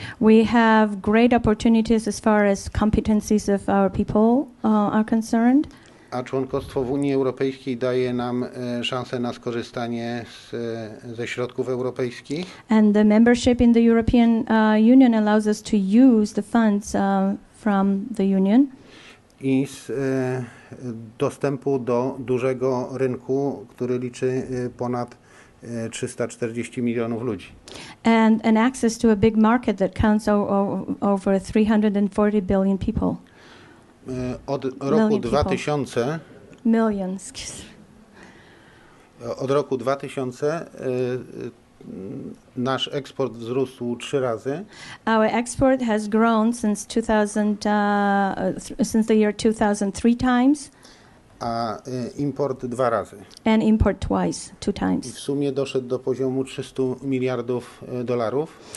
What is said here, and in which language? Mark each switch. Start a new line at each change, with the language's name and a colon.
English: We have great opportunities as far as competencies of our people are concerned.
Polish: A członkostwo w Unii Europejskiej daje nam szansę na skorzystanie ze środków europejskich.
English: And the membership in the European Union allows us to use the funds from the Union.
Polish: I z dostępu do dużego rynku, który liczy ponad 340 milionów ludzi.
English: And an access to a big market that counts over 340 billion people.
Polish: Od roku 2000.
English: Millions, excuse me.
Polish: Od roku 2000 nasz eksport wzrósł 3 razy.
English: Our export has grown since 2000 since the year 2000 3 times.
Polish: A import 2 razy.
English: And import twice, 2 times.
Polish: I w sumie doszedł do poziomu 300 miliardów dolarów.